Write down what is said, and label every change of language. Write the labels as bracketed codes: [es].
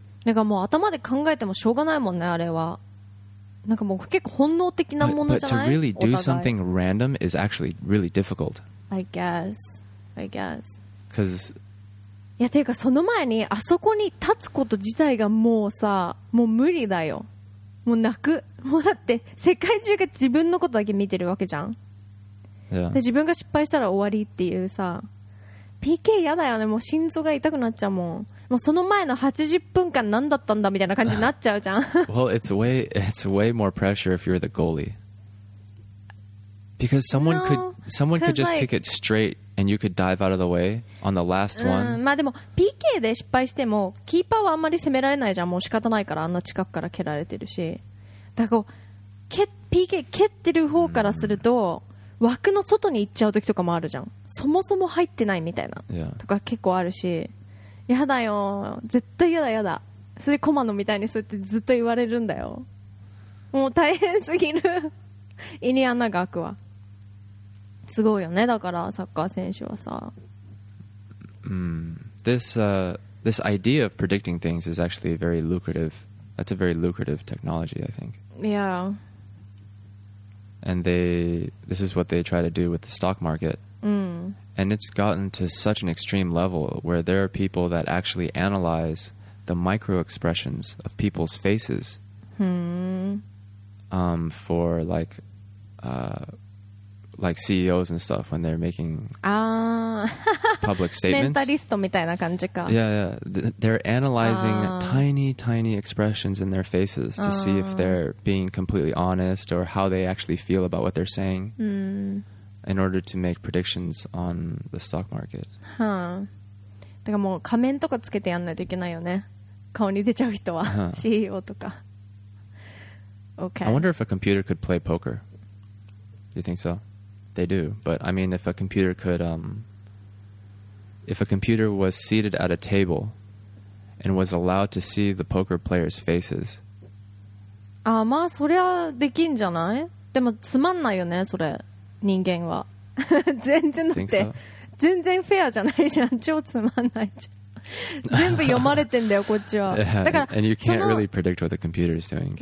[ja] なんかもう頭で考えてもしょうがないもんね、あれは。なんかもう結構本能的なものじゃない？ [en] But to really do something random is actually really difficult. I guess. Because... [ja] いや、ていうかその前にあそこに立つこと自体がもうさ、もう無理だよ。もう泣く。もうだって世界中が自分のことだけ見てるわけじゃん、 yeah. で自分が失敗したら終わりっていうさ、 PK 嫌だよね、もう心臓が痛くなっちゃうもん。もうその前の80分間何だったんだみたいな感じになっちゃうじゃん。 [en] Well, it's way more pressure if you're the goalie. Because someone could just kick it straight and you could dive out of the way on the last one. [ja] まあでも PK で失敗してもキーパーはあんまり攻められないじゃん。もう仕方ないから、あんな近くから蹴られてるし。だからこう PK 蹴ってる方からすると枠の外に行っちゃう時とかもあるじゃん。そもそも入ってないみたいなとか結構あるし、 yeah. やだよ、絶対やだやだ、それコマノみたいにするってずっと言われるんだよ。もう大変すぎる。イニアナが開くわ。すごいよね、だからサッカー選手はさ。 [en] This idea of predicting things is actually very lucrative. That's a very lucrative technology, I think. Yeah. And this is what they try to do with the stock market. And it's gotten to such an extreme level where there are people that actually analyze the micro expressions of people's faces. For like, like CEOs and stuff when they're making public statements. [ja] Mentalist みたいな感じか。 Yeah, yeah. [en] They're analyzing tiny expressions in their faces to see if they're being completely honest or how they actually feel about what they're saying in order to make predictions on the stock market. Huh. [ja] だからもう仮面とかつけてやんないといけないよね。顔に出ちゃう人は、uh-huh. CEO とか。Okay. [en] I wonder if a computer could play poker. Do you think so? They do, but I mean, if a computer could, if a computer was seated at a table and was allowed to see the poker players' faces. [ja] Ah, まあそれはできんじゃない？でもつまんないよね、それ人間は。全然だって、全然フェアじゃないじゃん。超つまんないじゃん。全部読まれてんだよこっちは。だから、 [en] and you can't really predict what the computer is doing.